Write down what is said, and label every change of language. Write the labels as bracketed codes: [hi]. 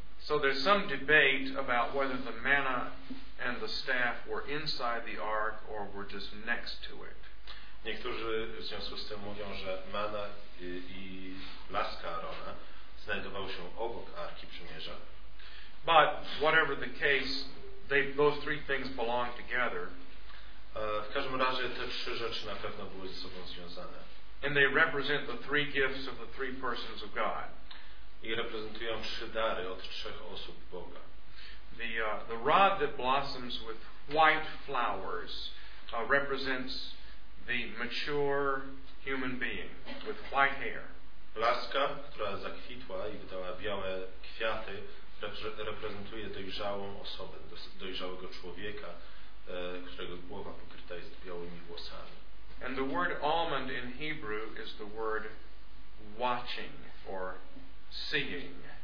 [en] So there's some debate about whether the manna and the staff were inside the ark or were just next to it. [pl] Niektórzy w związku z tym mówią, że manna i laska Aarona znajdowały się obok Arki Przymierza. [en] But whatever the case, those three things belong together. [pl] W każdym razie te trzy rzeczy na pewno były ze sobą związane. [en] And they represent the three gifts of the three persons of God. [pl] I reprezentują trzy dary od trzech osób Boga. [en] The rod that blossoms with white flowers represents the mature human being with white hair. [pl] Laska, która zakwitła i wydała białe kwiaty, reprezentuje dojrzałą osobę, dojrzałego człowieka, którego głowa pokryta jest białymi włosami. [en] And the word almond in Hebrew is the word watching or seeing.